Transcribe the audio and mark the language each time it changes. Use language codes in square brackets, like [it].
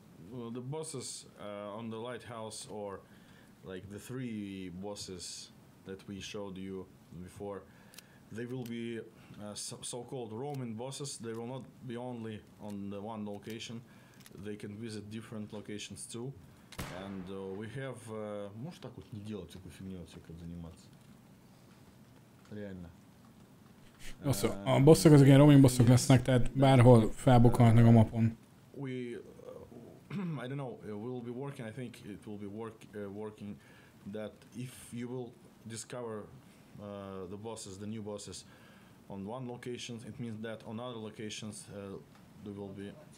[en] Well, the bosses on the lighthouse, or like the three bosses that we showed you before, they will be so-called roaming bosses. They will not be only on the one location. They can visit different locations too. And we have... [ru] Можешь так вот не делать такую фигню, вот всякой заниматься? Реально. [hu] Also, a bossok azok ilyen roaming bossok lesznek, tehát bárhol felbukkanhatnak a mapon. [en] We... I don't know, we'll be working, I think it will be working that if you will discover the bosses, the new bosses on one location, it means that on other locations there will be...